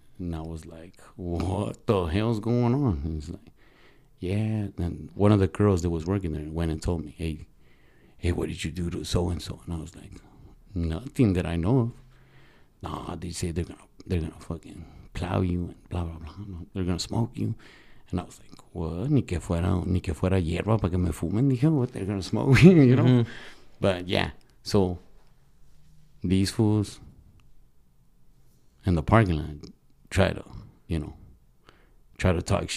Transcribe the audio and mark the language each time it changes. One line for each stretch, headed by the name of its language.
English: And I was like, what the hell's going on? And he's like, yeah. And one of the girls that was working there went and told me, hey, what did you do to so-and-so? And I was like, nothing that I know of. Nah, they say they're gonna fucking plow you and blah, blah, blah. They're going to smoke you. And I was like, what?
Spanish: Ni que fuera hierba para que me fumen.
English: Dije, what? They're going to smoke me, you know? Mm-hmm. But, yeah. So, these fools in the parking lot try to talk.